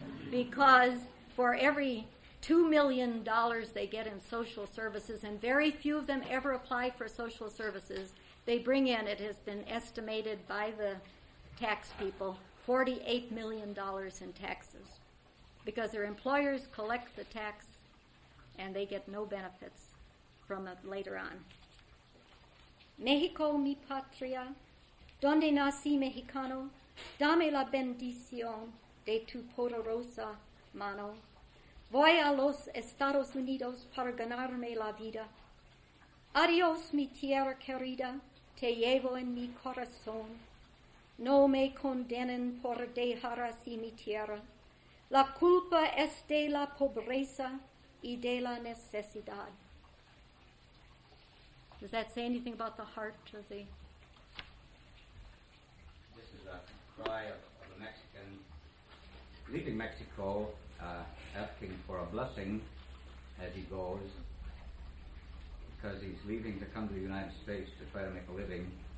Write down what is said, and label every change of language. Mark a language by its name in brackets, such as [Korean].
[English] Because for every $2 million they get in social services, and very few of them ever apply for social services, they bring in, it has been estimated by the tax people, $48 million in taxes. Because their employers collect the tax and they get no benefits from it later on. [Spanish] Mexico, mi patria, donde nací mexicano, dame la bendición de tu poderosa mano. Voy a los Estados Unidos para ganarme la vida. Adiós, mi tierra querida, te llevo en mi corazón. No me condenen por dejar así mi tierra. La culpa es de la pobreza y de la necesidad. [English] Does that say anything about the heart, Jose? This is a cry of a Mexican leaving Mexico asking for a blessing as he goes, because he's leaving to come to the United States to try to make a living.